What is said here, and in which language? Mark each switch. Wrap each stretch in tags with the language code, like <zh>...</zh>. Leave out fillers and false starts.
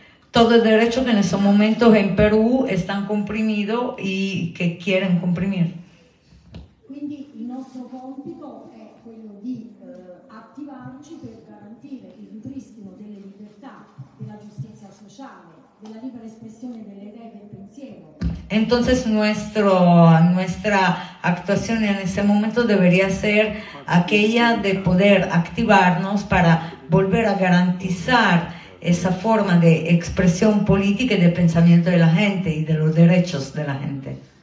<es>Todo el derecho que en estos momentos en Perú están comprimido y que quieren comprimir.</es> <it>Quindi il nostro compito è quello di attivarci per garantire il ripristino delle libertà, della giustizia sociale, della libera espressione delle idee e del pensiero.</it> <es>Entonces nuestra actuación en ese momento debería ser aquella de poder activarnos para volver a garantizar esa forma de expresión política y de pensamiento de la gente y de los derechos de la gente.</es>